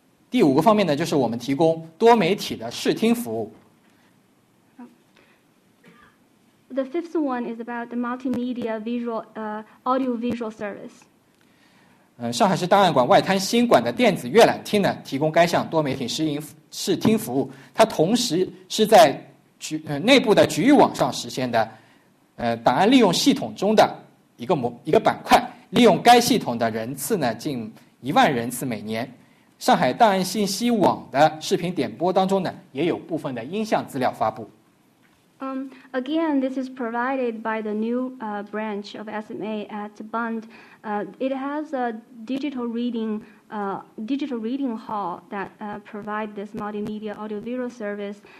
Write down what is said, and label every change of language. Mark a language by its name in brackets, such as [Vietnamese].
[Chinese] 第五个方面呢，就是我们提供多媒体的视听服务。 [English] The fifth one is about the multimedia visual, audiovisual service. [Chinese] 上海市档案馆外滩新馆的电子阅览厅呢，提供该项多媒体视听服务，它同时是在内部的局域网上实现的，档案利用系统中的一个板块，利用该系统的人次呢，近10000人次每年。上海档案信息网的视频点播当中呢，也有部分的音像资料发布。 [English] Again, this is provided by the new branch of SMA at Bund. It has a digital reading hall that provides this multimedia audiovisual service.